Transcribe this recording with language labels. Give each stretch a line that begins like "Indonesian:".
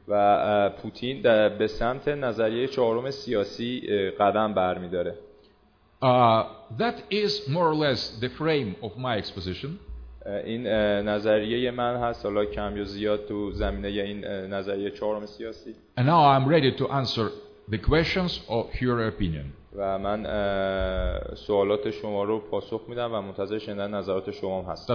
Persian: و پوتین به سمت نظریه چهارم سیاسی قدم برمی‌داره.
English: That is more or less the frame of my exposition.
Persian: این نظریه من هست، حالا کم یا زیاد تو زمینه این نظریه چهارم سیاسی.
English: And now I'm ready to answer the questions or your opinion.
Persian: و من سوالات شما رو پاسخ میدم و منتظر شنیدن نظرات شما هستم.